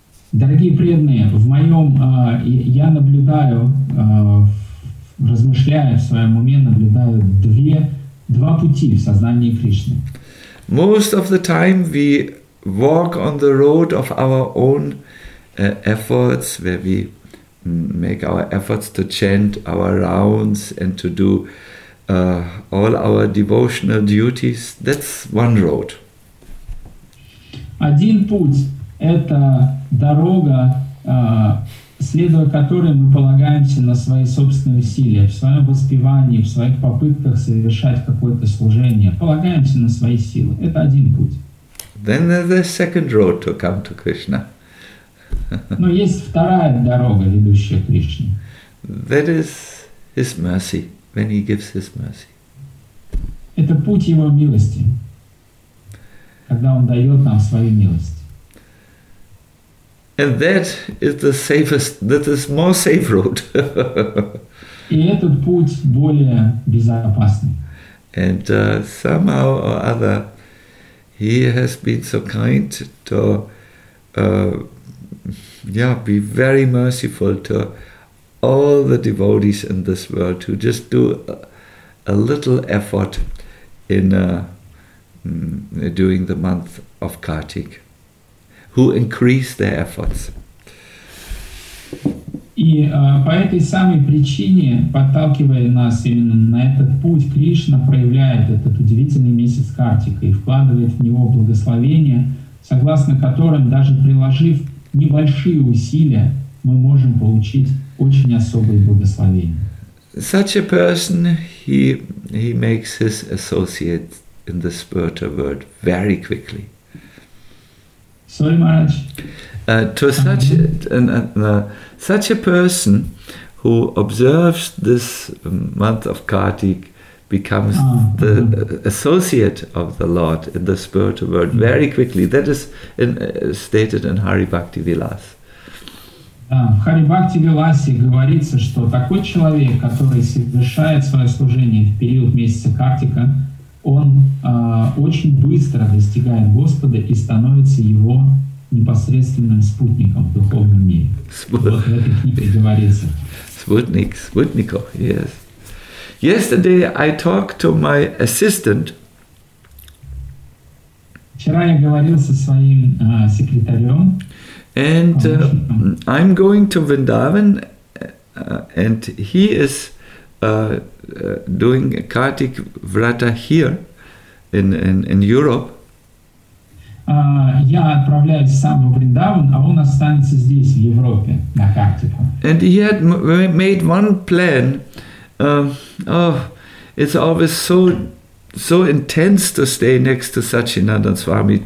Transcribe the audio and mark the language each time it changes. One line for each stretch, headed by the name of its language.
Russian: Дорогие преданные, в моем я наблюдаю, размышляя в своем уме, наблюдаю два пути в сознании Кришны.
English: Most of the time we walk on the road of our own efforts, where we make our efforts to chant our rounds and to do all our devotional duties. That's one road.
Russian: Один путь – это дорога, следуя которой мы полагаемся на свои собственные усилия, в своем воспевании, в своих попытках совершать какое-то служение. Полагаемся на свои силы. Это один путь.
English: Then there's a second road to come to Krishna.
Russian: Но есть вторая дорога, ведущая к Кришне.
English: That is His mercy, when He gives His mercy.
Russian: Это путь Его милости, когда Он дает нам свою милость.
English: And that is the safest, that is more safe road.
Russian: И этот путь более безопасный.
English: And somehow or other, He has been so kind to be very merciful to all the devotees in this world who just do a little effort in during the month of Kartik, who increase their efforts.
Russian: И по этой самой причине, подталкивая нас именно на этот путь, Кришна проявляет этот удивительный месяц Картика и вкладывает в него благословение, согласно которым, даже приложив небольшие усилия, мы можем получить очень особые благословения.
English: Such a person, he makes his associate in the spiritual world very quickly. Sorry, Maharaj. Such a person who observes this month of Kartik becomes associate of the Lord in the spiritual world very quickly. That is stated in Hari Bhakti Vilas.
Russian: В Hari Bhakti Vilasе говорится, что такой человек, который совершает свое служение в период месяца Картика, он очень быстро достигает Господа и становится его непосредственным спутником в духовном мире. Спутников,
English: yes. Yesterday I talked to my assistant.
Russian: Вчера я говорил со своим секретарем.
English: And I'm going to Vrindavan, and he is doing a Kartik Vrata here in Europe.
Russian: Я отправляюсь сам в Вриндаван, а он останется здесь, в Европе, на Картику.
English: And he had made one plan. It's always so intense to stay next to Sachinandan Swami.